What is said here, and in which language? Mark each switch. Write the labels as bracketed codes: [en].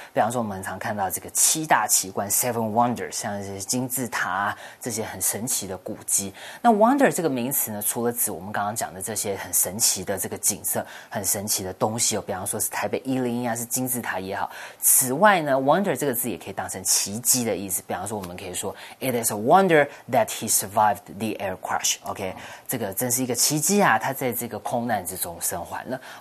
[zh] 比方说，我们常看到这个七大奇观 seven wonders， 像这些金字塔啊，这些很神奇的古迹。那 wonder 这个名词呢，除了指我们刚刚讲的这些很神奇的这个景色、很神奇的东西哦，比方说是台北一零一啊，是金字塔也好。此外呢 ，wonder 这个字也可以当成奇迹的意思。比方说，我们可以说 [en] ，It is a wonder that he survived the air crash. [zh] OK， 这个真是一个奇迹啊，他在这个空难之中生还了。